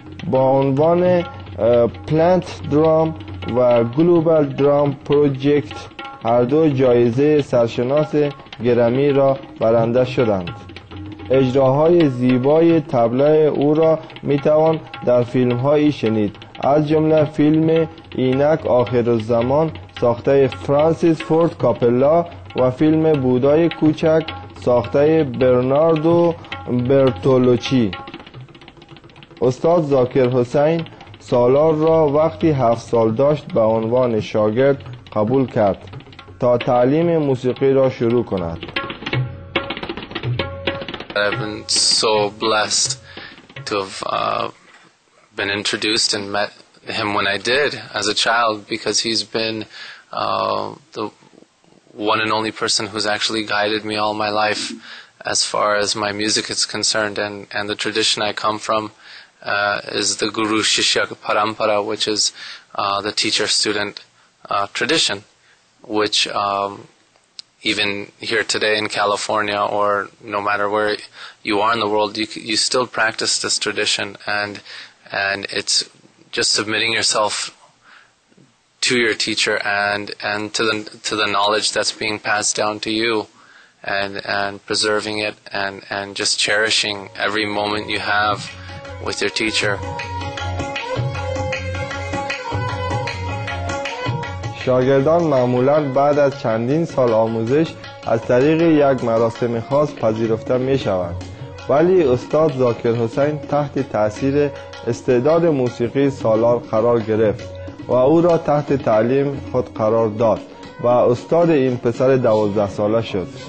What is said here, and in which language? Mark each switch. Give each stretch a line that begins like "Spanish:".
Persian: با عنوان پلنت درام و گلوبال درام پروژیکت هر دو جایزه سرشناس گرمی را برنده شدند اجراهای زیبای طبله او را میتوان در فیلم هایی شنید از جمله فیلم اینک آخر الزمان ساخته فرانسیس فورد کاپلا و فیلم بودای کوچک ساخته برناردو برتولوچی استاد زاکر حسین سالار را وقتی 7 سال داشت به عنوان شاگرد قبول کرد تا تعلیم موسیقی را شروع کند.
English: I've been so blessed to have been introduced and met him when I did as a child because he's been the one and only person who's actually guided me all my life as far as my music is concerned. And the tradition I come from is the Guru Shishya Parampara, which is the teacher-student tradition, which even here today in California, or no matter where you are in the world, you still practice this tradition, and it's just submitting yourself to your teacher and to the knowledge that's being passed down to you, and preserving it and just cherishing every moment you have with your teacher.
Persian: شاگردان معمولاً بعد از چندین سال آموزش از طریق یک مراسم خاص پذیرفته می شوند. ولی استاد زاکر حسین تحت تأثیر استعداد موسیقی سالار قرار گرفت و او را تحت تعلیم خود قرار داد و استاد این پسر 12 ساله شد.